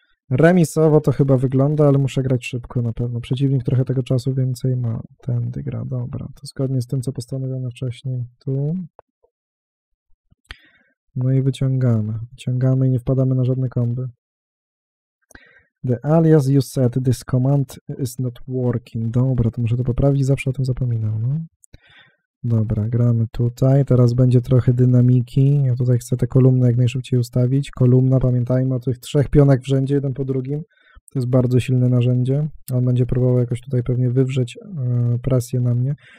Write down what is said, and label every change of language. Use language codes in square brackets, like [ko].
[pl] Remisowo to chyba wygląda, ale muszę grać szybko na pewno. Przeciwnik trochę tego czasu więcej ma. Tędy gra. Dobra, to zgodnie z tym, co postanowiono wcześniej. Tu. No i wyciągamy. Wyciągamy i nie wpadamy na żadne komby. [en] The alias you said, this command is not working. [pl] Dobra, to muszę to poprawić. Zawsze o tym zapominam. No. Dobra, gramy tutaj. Teraz będzie trochę dynamiki. Ja tutaj chcę te kolumny jak najszybciej ustawić. Kolumna, pamiętajmy o tych trzech pionach w rzędzie, jeden po drugim. To jest bardzo silne narzędzie. On będzie próbował jakoś tutaj pewnie wywrzeć presję na mnie.